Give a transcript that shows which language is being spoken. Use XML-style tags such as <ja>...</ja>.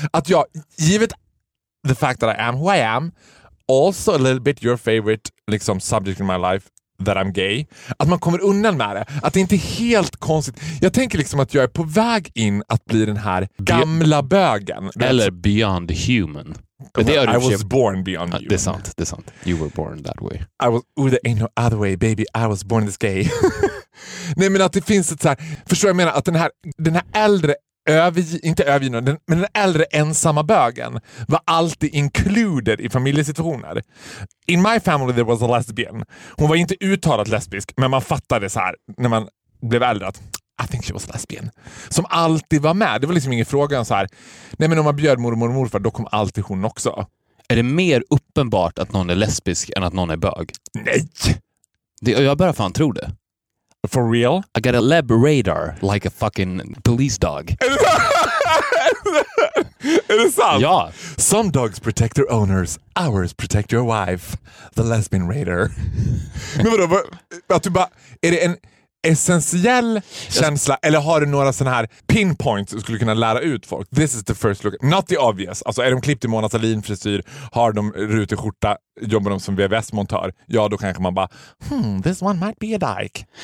<sv>Att jag, givet</sv> <en>the fact that I am who I am, also a little bit your favorite</en> <sv>liksom</sv> <en>subject in my life, that I'm gay,</en> <sv>att man kommer undan med det, att det inte är helt konstigt. Jag tänker liksom att jag är på väg in att bli den här gamla bögen,</sv> <en>eller beyond human. Well, I was born beyond human.</en> <sv>Det är sant, det är sant.</sv> <en>You were born that way. I was, ooh, there ain't no other way, baby. I was born this gay.</en> <sv>Nej, men att det finns ett så här, förstår jag menar, att den här äldre, men den äldre ensamma bögen var alltid included i familjesituationer.</sv> <en>In my family there was a lesbian.</en> <sv>Hon var inte uttalat lesbisk, men man fattade så här när man blev äldre att</sv> <en>I think she was lesbian.</en> <sv>Som alltid var med. Det var liksom ingen fråga så här. Nej, men om man bjöd mormor och morfar, då kom alltid hon också. Är det mer uppenbart att någon är lesbisk än att någon är bög? Nej! Det, jag bara fan tror det.</sv> <en>For real? I got a lab radar like a fucking police dog.</en> <sv>Är det sant? Ja.</sv> <en>Some dogs protect their owners. Ours protect your wife. The lesbian raider.</en> <sv>Men vadå? Att du bara, är det en essentiell känsla? Eller har du några sådana här pinpoints du skulle kunna lära ut folk?</sv> <en>This is the first look. Not the obvious.</en> <sv>Alltså är de klippt i Mona Sahlin frisyr? Har de rutig skjorta? Jobbar de som VVS-montör? Ja, då kanske man bara,</sv> <en>this one might be a dyke.</en>